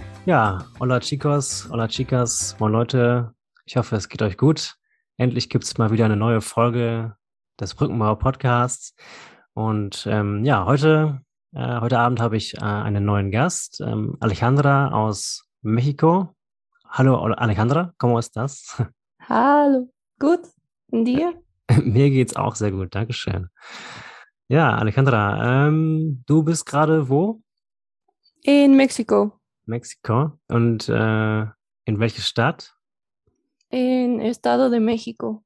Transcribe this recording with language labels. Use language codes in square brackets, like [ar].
[de] Ja, [es] hola chicos, hola chicas, [de] moin Leute, ich hoffe es geht euch gut. Endlich gibt es mal wieder eine neue Folge des Brückenbauer Podcasts und heute Abend habe ich einen neuen Gast, Alejandra aus Mexiko. Hallo [es] Alejandra, ¿cómo estás? [de] Hallo, gut. Und dir? Mir geht's auch sehr gut, dankeschön. Ja, Alejandra, du bist gerade wo? In Mexiko. Mexiko. Und in welche Stadt? In Estado de México.